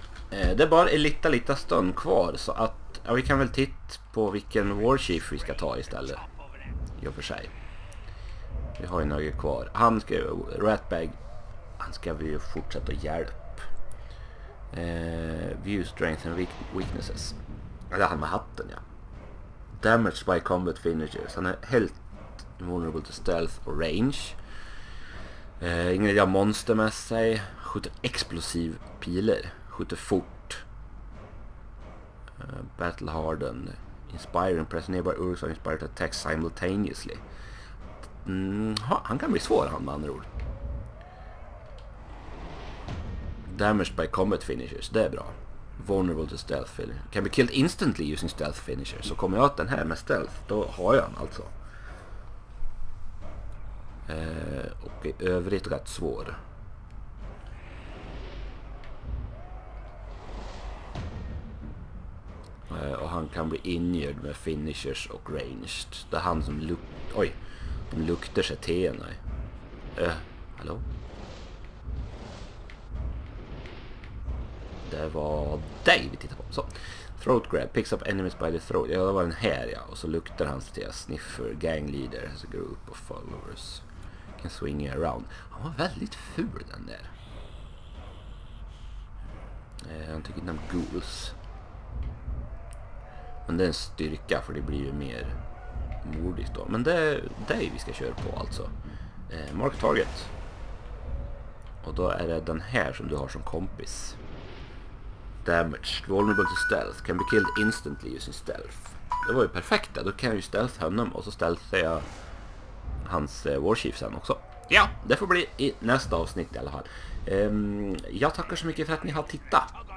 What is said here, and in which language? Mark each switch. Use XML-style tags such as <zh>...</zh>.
<sv>Det är bara en liten stund kvar så att... Ja, vi kan väl titta på vilken warchief vi ska ta istället. Jo för sig. Vi har ju några kvar. Han ska ju... Ratbag. Han ska vi ju fortsätta hjälpa.</sv> <en>View strength and weaknesses.</en> <sv>Eller han med hatten, ja.</sv> <en>Damage by combat finishers.</en> <sv>Han är helt...</sv> <en>vulnerable to stealth</en> <sv>och range. Ingen idé av monster med sig. Skjuter explosiv piler. Skjuter fort.</sv> <en>Battle harden. Inspiring. Press nearby urks and inspired attacks simultaneously.</en> <sv>Han kan bli svår han med andra ord.</sv> <en>Damaged by combat finishers.</en> <sv>Det är bra.</sv> <en>Vulnerable to stealth. Can be killed instantly using stealth finisher.</en> <sv>Så kommer jag åt den här med stealth. Då har jag han alltså. Och i övrigt rätt svår. Och han kan bli injured med finishers och ranged. Det är han som oj, de luktar sig till en. Hallå? Det var dig vi tittade på. Så.</sv> <en>Throat grab, picks up enemies by the throat.</en> <sv>Ja, det var den här ja. Och så luktar han sig till en sniffer, gang leader, alltså</sv> <en>group of followers. Can swing around.</en> <sv>Han var väldigt ful den där. Han tycker inte om ghouls. Men det är en styrka för det blir ju mer modigt då. Men det är det vi ska köra på alltså.</sv> <en>Mark target.</en> <sv>Och då är det den här som du har som kompis.</sv> <en>Damage. Vulnerable to stealth. Can be killed instantly using stealth.</en> <sv>Det var ju perfekt där. Då kan jag ju stealth honom och så stealthar jag hans warchief sen också. Ja, det får bli i nästa avsnitt i alla fall. Jag tackar så mycket för att ni har tittat.</sv>